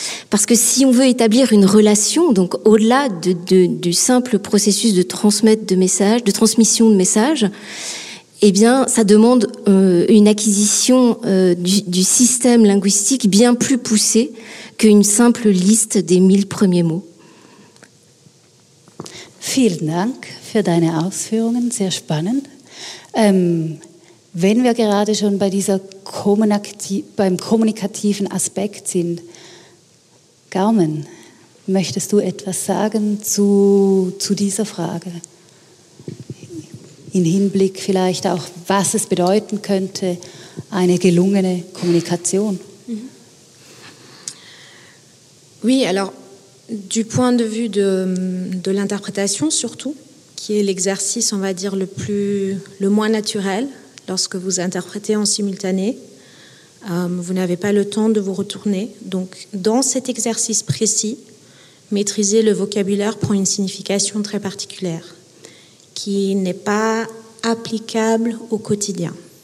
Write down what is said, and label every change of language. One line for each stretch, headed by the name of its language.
French: Parce que si on veut établir une relation, donc au-delà du simple processus de transmettre de messages, de transmission de messages, eh bien, ça demande une acquisition du système linguistique bien plus poussée qu'une simple liste des 1000 premiers mots.
German: Vielen Dank für deine Ausführungen, sehr spannend. Wenn wir gerade schon bei dieser beim kommunikativen Aspekt sind, Carmen, möchtest du etwas sagen zu dieser Frage? In Hinblick vielleicht auch, was es bedeuten könnte, eine gelungene Kommunikation?
French: Oui, alors, du point de vue de l'interprétation surtout, qui est l'exercice, on va dire, le moins naturel, lorsque vous interprétez en simultané. Vous n'avez pas le temps de vous retourner. Donc, dans cet exercice précis, maîtriser le vocabulaire prend une signification très particulière, qui n'est pas applicable au quotidien.